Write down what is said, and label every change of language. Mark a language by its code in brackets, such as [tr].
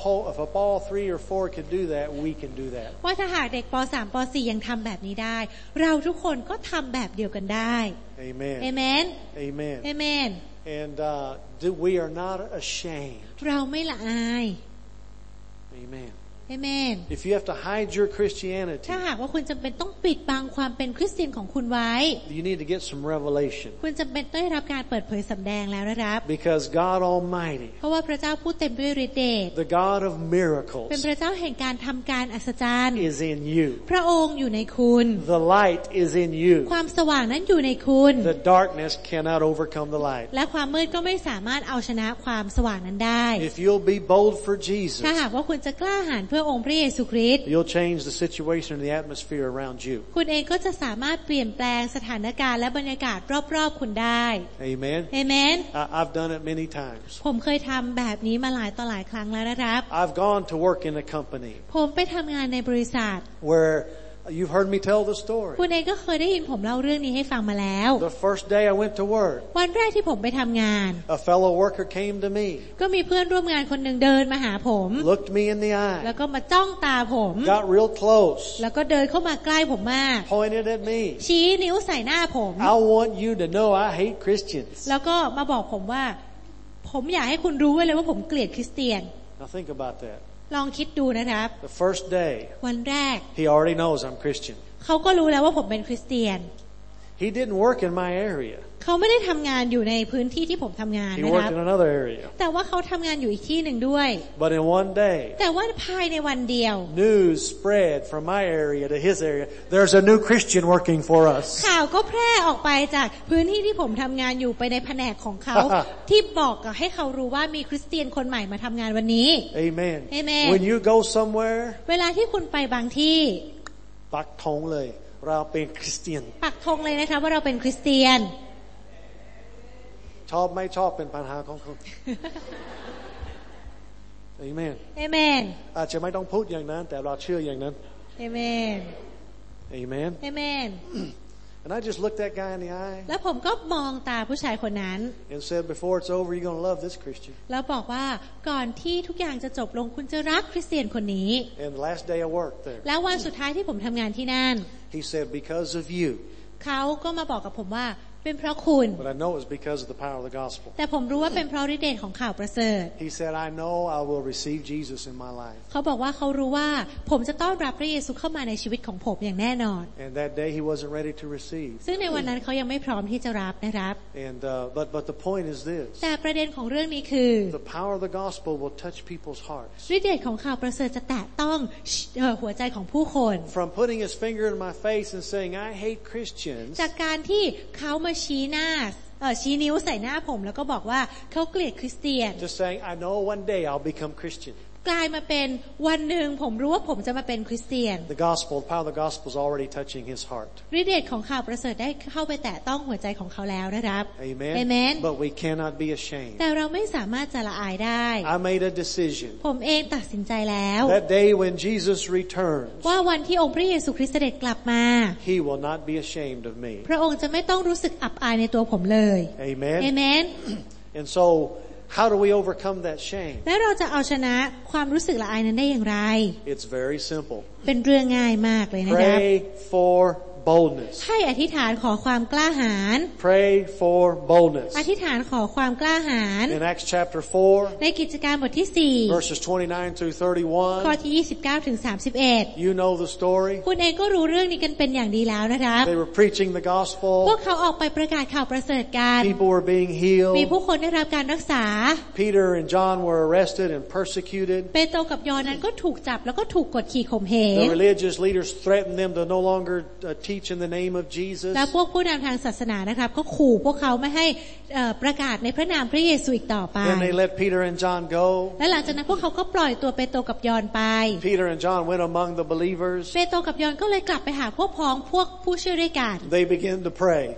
[en] If a ball 3 or 4 can do that we can do that [th] ว่าถ้าหากเด็กป.3 ป.4 ยังทำแบบนี้ได้เราทุกคนก็ทำแบบเดียวกันได้ [en] Amen Amen Amen Amen And we are not ashamed [th] เราไม่ละอาย [en] Amen Amen. If you have to hide your Christianity, [th] ถ้าหากว่าคุณจำเป็นต้องปิดบังความเป็นคริสเตียนของคุณไว้ [en] You need to get some revelation. [th] คุณจำเป็นต้องได้รับการเปิดเผยสำแดงแล้วนะครับ [en] Because God Almighty. [th] เพราะว่าพระเจ้าผู้เต็มด้วยฤทธิ์เดช [en] The God of miracles. [th] เป็นพระเจ้าแห่งการทำการอัศจรรย์ [en] Is in you. [th] พระองค์อยู่ในคุณ [en] The light is in you. [th] ความสว่างนั้นอยู่ในคุณ [en] The darkness cannot overcome the light. [th] และความมืดก็ไม่สามารถเอาชนะความสว่างนั้นได้ [en] If you'll be bold for Jesus. [th] ถ้าหากว่าคุณจะกล้าหาญเพื่อองค์พระเยซูคริสต์ [en] You'll change the situation and the atmosphere around you. [th] คุณเองก็จะสามารถเปลี่ยนแปลงสถานการณ์และบรรยากาศรอบๆคุณได้ [en] Amen. Amen. I've done it many times. [th] ผมเคยทำแบบนี้มาหลายต่อหลายครั้งแล้วนะครับ [en] I've gone to work in a company. [th] ผมไปทำงานในบริษัท [en] Where you've heard me tell the story. [th] คุณเองก็เคยได้ยินผมเล่าเรื่องนี้ให้ฟังมาแล้ว [en] The first day I went to work. [th] วันแรกที่ผมไปทำงาน [en] A fellow worker came to me. [th] ก็มีเพื่อนร่วมงานคนนึงเดินมาหาผม [en] Looked me in the eye. [th] แล้วก็มาจ้องตาผม [en] Got real close. [th] แล้วก็เดินเข้ามาใกล้ผมมาก [en] Pointed at me. [th] ชี้นิ้วใส่หน้าผม [en] I want you to know I hate Christians. [th] แล้วก็มาบอกผมว่าผมอยากให้คุณรู้ไว้เลยว่าผมเกลียดคริสเตียน [en] Now think about that. [th] ลองคิดดูนะครับ [en] The first day [th] วันแรก [en] He already knows I'm Christian [th] เขาก็รู้แล้วว่าผมเป็นคริสเตียน [en] He didn't work in my area [th] เขาไม่ได้ทำงานอยู่ในพื้นที่ที่ผมทำงานนะครับ [en] He worked in another area [th] แต่ว่าเขาทำงานอยู่อีกที่หนึ่งด้วย [en] But in one day [th] แต่ว่าภายในวันเดียว [en] News spread from my area to his area There's a new Christian working for us [th] ข่าวก็แพร่ออกไปจากพื้นที่ที่ผมทำงานอยู่ไปในแผนกของเขาที่บอกให้เขารู้ว่ามีคริสเตียนคนใหม่มาทำงานวันนี้ [en] Amen Amen When you go somewhere [th] เวลาที่คุณไปบางที่ปักธงเลยเราเป็นคริสเตียน ปักธงเลยนะคะว่าเราเป็นคริสเตียน ชอบไม่ชอบเป็นปัญหาของคุณเอเมน เอเมน อาจจะไม่ต้องพูดอย่างนั้นแต่เราเชื่ออย่างนั้น เอเมน เอเมน เอเมน [en] And I just looked that guy in the eye [th] แล้วผมก็มองตาผู้ชายคนนั้น [en] And said before it's over you're going to love this Christian [th] แล้วบอกว่าก่อนที่ทุกอย่างจะจบลงคุณจะรักคริสเตียนคนนี้ [en] And last day I worked there [th] แล้ววันสุดท้ายที่ผมทำงานที่นั่น [en] He said because of you [th] เขาก็มาบอกกับผมว่าเป็นเพราะคุณ [en] But I know it's because of the power of the gospel. [th] แต่ผมรู้ว่าเป็นเพราะฤทธิ์เดชของข่าวประเสริฐ [en] He said I know I will receive Jesus in my life. [th] เขาบอกว่าเขารู้ว่าผมจะต้อนรับพระเยซูเข้ามาในชีวิตของผมอย่างแน่นอน [en] And that day he wasn't ready to receive. [th] ซึ่งในวันนั้นเขายังไม่พร้อมที่จะรับนะครับ [en] And but the point is this. [th] แต่ประเด็นของเรื่องนี้คือ [en] The power of the gospel will touch people's hearts. [th] ฤทธิ์เดชของข่าวประเสริฐจะแตะต้องหัวใจของผู้คน [en] From putting his finger in my face and saying I hate Christians. [th] จากการที่เขาชี้หน้าชี้นิ้วใส่หน้าผมแล้วก็บอกว่าเขาเกลียดคริสเตียน [en] Just saying I know one day I'll become Christian [th] กลายมาเป็นวันหนึ่งผมรู้ว่าผมจะมาเป็นคริสเตียน [en] The gospel the power of the gospel is already touching his heart [th] ฤทธิ์เดชของข่าวประเสริฐได้เข้าไปแตะต้องหัวใจของเขาแล้วนะครับ [en] Amen. Amen But we cannot be ashamed [th] แต่เราไม่สามารถจะละอายได้ [en] I made a decision [th] ผมเองตัดสินใจแล้ว [en] That day when Jesus returns [th] ว่าวันที่องค์พระเยซูคริสต์เสด็จกลับมา [en] He will not be ashamed of me [th] พระองค์จะไม่ต้องรู้สึกอับอายในตัวผมเลย [en] Amen Amen And soHow do we overcome that shame? [th] แล้วเราจะเอาชนะความรู้สึกละอายนั้นได้อย่างไร [en] It's very simple. [th] เป็นเรื่องง่ายมากเลยนะครับ [en] Pray for boldness. [th] ให้อธิษฐานขอความกล้าหาญ [en] Pray for boldness. [th] อธิษฐานขอความกล้าหาญ [en] In Acts chapter 4. [th] ในกิจการบทที่4 [en] Verses 29 through 31. [th] ข้อที่29ถึง31 [en] You know the story. [th] คุณเองก็รู้เรื่องนี้กันเป็นอย่างดีแล้วนะครับ [en] They were preaching the gospel. [th] พวกเขาออกไปประกาศข่าวประเสริฐกัน [en] People were being healed. [th] มีผู้คนได้รับการรักษา [en] Peter and John were arrested and persecuted. [th] เปโตรกับยอห์นนั้นก็ถูกจับแล้วก็ถูกกดขี่ข่มเหง [en] The religious leaders threatened them to no longer teach in the name of Jesus. [th] และพวกผู้นำทางศาสนานะครับก็ขู่พวกเขาไม่ให้ประกาศในพระนามพระเยซูอีกต่อไป [en] Then they let Peter and John go. [th] และหลังจากนั้นพวกเขาก็ปล่อยตัวเปโตรกับยอห์นไป [en] Peter and John went among the believers. [th] เปโตรกับยอห์นก็เลยกลับไปหาพวกพ้องพวกผู้เชื่อด้วยกัน [en] They began to pray.